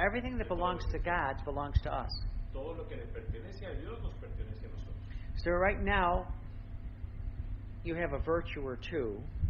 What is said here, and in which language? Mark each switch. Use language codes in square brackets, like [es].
[en] Everything that belongs to God belongs to us. [es] Todo lo que le pertenece a Dios nos pertenece a nosotros. [en] So right now, you have a virtue or two.